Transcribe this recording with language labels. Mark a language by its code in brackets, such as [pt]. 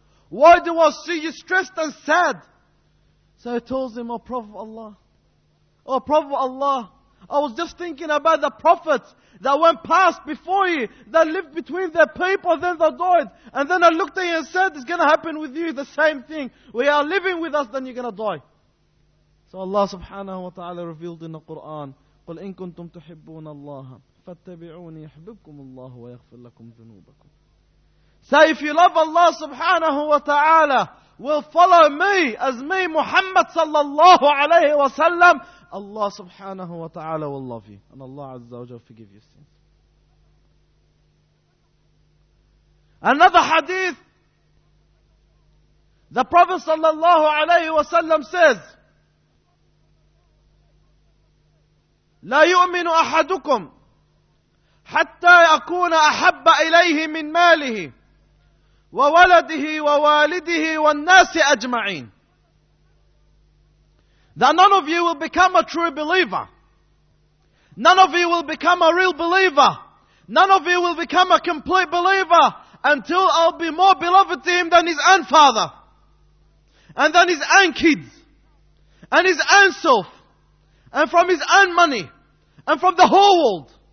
[en] Why do I see you stressed and sad? So he tells him, O Prophet of Allah, I was just thinking about the prophets that went past before you, that lived between their people, then they died. And then I looked at you and said, it's going to happen with you, the same thing. We are living with us, then you're going to die. So Allah subhanahu wa ta'ala revealed in the Quran, [ar] قُلْ إِن كُنْتُمْ تُحِبُّونَ اللَّهَ فَاتَّبِعُونِ يَحْبِبْكُمُ اللَّهُ وَيَغْفِرْ لَكُمْ ذُنُوبَكُمْ. [en] Say, if you love Allah subhanahu wa ta'ala, will follow me as me Muhammad sallallahu alayhi wa sallam, Allah subhanahu wa ta'ala will love you. And Allah azza wa jal forgive your sins. Another hadith, the Prophet sallallahu alayhi wa sallam says, [ar] لا يؤمن أحدكم حتى أكون أحب إليه من ماله وولده ووالده والناس أجمعين. [en] That none of you will become a true believer. None of you will become a real believer. None of you will become a complete believer until I'll be more beloved to him than his own father, and than his own kids, and his own self, and from his own money, and from the whole world.